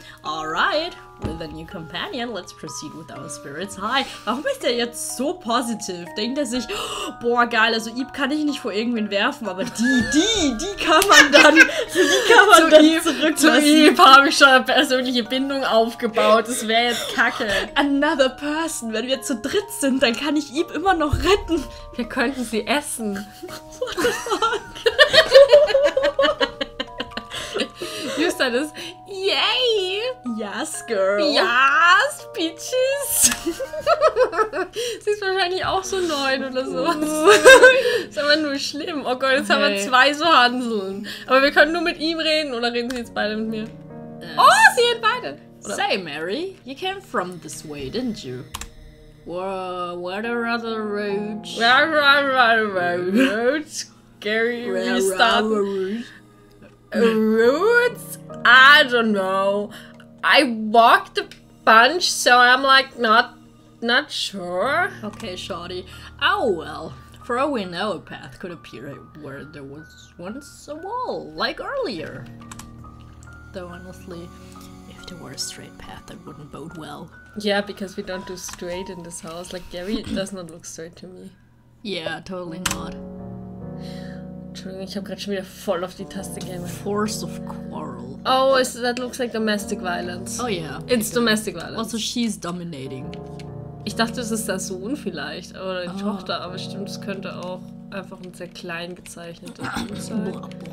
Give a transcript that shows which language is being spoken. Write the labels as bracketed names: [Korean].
[English] Alright, with a new companion, let's proceed with our spirits high. [German] Warum ist der jetzt so positiv? Denkt er sich, oh, boah geil, also Eve kann ich nicht vor irgendwen werfen, aber die kann man dann, die kann man zu dann Eve, zurücklassen. Zu Eve habe ich schon eine persönliche Bindung aufgebaut, das wäre jetzt kacke. [English] Another person, [German] wenn wir zu dritt sind, dann kann ich Eve immer noch retten. Wir könnten sie essen. [English] What the fuck? You said this. Yay! Yes, girl. Yes, bitches. [German] Sie ist wahrscheinlich auch so 9 oder so. Ist aber nur schlimm. Oh Gott, jetzt haben wir 2 so Hanseln. Aber wir können nur mit ihm reden oder reden sie jetzt beide mit mir? Oh, sie reden beide. Oder? [English] Say, Mary, you came from this way, didn't you? Where are the roads? Roads? Gary, restart. Roots? I don't know. I walked a bunch, so I'm like not sure. Okay, shawty. Oh well. For all we know, a path could appear where there was once a wall, like earlier. Though honestly, if there were a straight path, that wouldn't bode well. Yeah, because we don't do straight in this house. Like, Gary does not look straight to me. Yeah, totally not. [German] Entschuldigung, ich habe gerade schon wieder voll auf die Taste gegangen. [English] Force of Quarrel. Oh, that looks like domestic violence. Oh yeah. It's domestic violence. Also, she's dominating. [German] Ich dachte, es ist der Sohn vielleicht, oder die Tochter, aber stimmt, es könnte auch einfach ein sehr klein gezeichnetes sein.